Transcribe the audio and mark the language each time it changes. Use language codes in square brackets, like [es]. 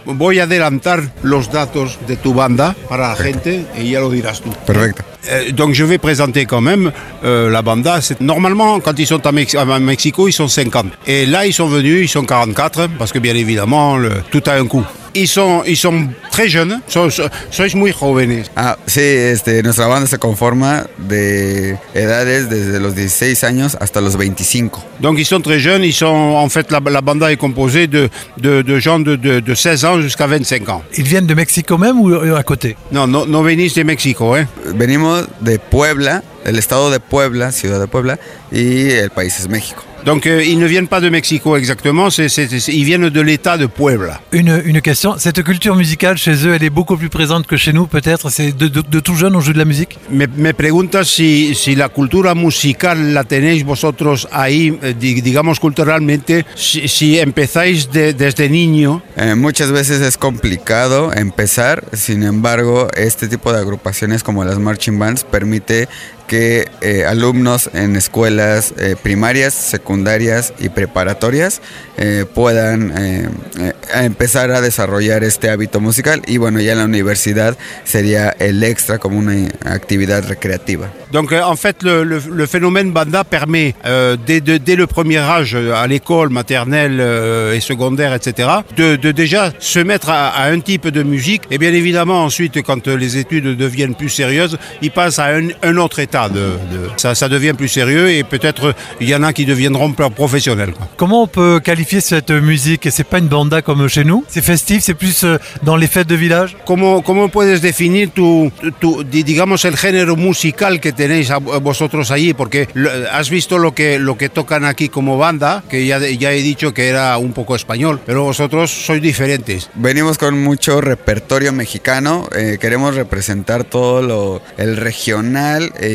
[es] Voy a adelantar los datos de tu banda para la gente [fr] et [es] ya lo dirás tú. Perfecto. [fr] Donc, je vais présenter quand même la banda. C'est, normalement, quand ils sont à Mexico, ils sont 50. Et là, ils sont venus, ils sont 44, parce que bien évidemment, tout a un coût. Ils sont très jeunes. [es] Sois muy jóvenes. Ah, sí, nuestra banda se conforma de edades desde los 16 años hasta los 25. [fr] Donc ils sont très jeunes, ils sont en fait la banda est composée de gens de 16 ans jusqu'à 25 ans. Ils viennent de Mexico même ou à côté? [es] No venís de México, ¿eh? Venimos de Puebla, el estado de Puebla, ciudad de Puebla y el país es México. [fr] Donc, ils ne viennent pas de Mexico exactement, ils viennent de l'état de Puebla. Une question, cette culture musicale chez eux, elle est beaucoup plus présente que chez nous peut-être, c'est de tout jeune on joue de la musique. [es] Me preguntas si la cultura musical la tenéis vosotros ahí, digamos culturalmente, si empezáis desde niño. Muchas veces es complicado empezar, sin embargo, este tipo de agrupaciones como las marching bands permite que alumnos en escuelas primarias, secundarias y preparatorias puedan empezar a desarrollar este hábito musical y bueno, ya en la universidad sería el extra como una actividad recreativa. [fr] Donc en fait le phénomène banda permet dès le premier âge à l'école maternelle et secondaire etc. de déjà se mettre à un type de musique et bien évidemment ensuite quand les études deviennent plus sérieuses, ils passent à un autre état. Ça devient plus sérieux et peut-être il y en a qui deviendront professionnels. Comment on peut qualifier cette musique? C'est pas une banda comme chez nous. C'est festif, c'est plus dans les fêtes de village. [es] Comment puedes definir tu digamos el género musical que tenéis vosotros allí? Porque has visto lo que tocan aquí como banda, que ya he dicho que era un poco español, pero vosotros sois diferentes. Venimos con mucho repertorio mexicano. Queremos representar todo el regional.